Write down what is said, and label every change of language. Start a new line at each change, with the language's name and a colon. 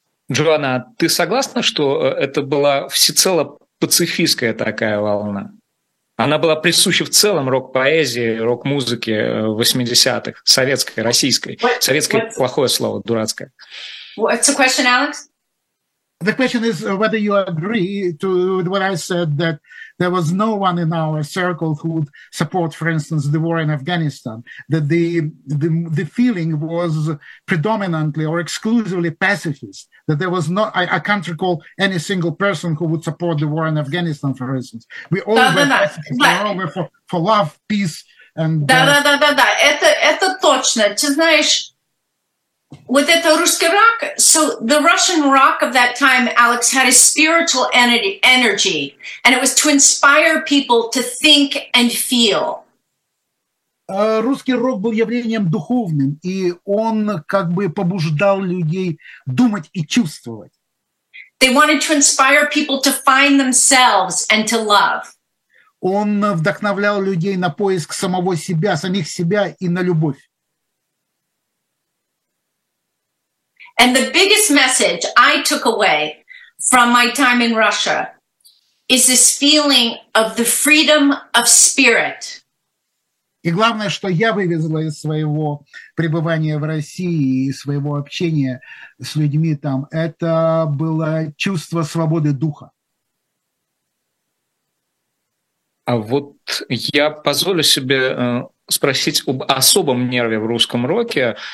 Russian: Джоанна, ты согласна, что это была всецело пацифистская такая волна? Она была присуща в целом рок-поэзии, рок-музыке 80-х, советской, российской. Советское – плохое слово, дурацкое.
English: What's the question, Alex? The question is whether you agree to what I said, that there was no one in our circle who would support, for instance, the war in Afghanistan, that the feeling was predominantly or exclusively pacifist, that there was not, I can't recall any single person who would support the war in Afghanistan, for instance. We all were for love, peace, and...
Russian: Да-да-да-да-да, это точно, ты знаешь...
English: With the Russian rock, so the Russian rock of that time, Alex, had a spiritual energy, and it was to inspire people to think and feel.
Russian: Русский рок был явлением духовным, и он как бы побуждал людей думать и чувствовать.
English: They wanted to inspire people to find themselves and to love.
Russian: Он вдохновлял людей на поиск самого себя, самих себя и на любовь.
English: And the biggest message I took away from my time in Russia is this feeling of the freedom of spirit.
Russian: И главное, что я вывезла из своего пребывания в России и своего общения с людьми там, это было чувство свободы духа. А вот я позволю себе спросить об особом нерве в русском роке.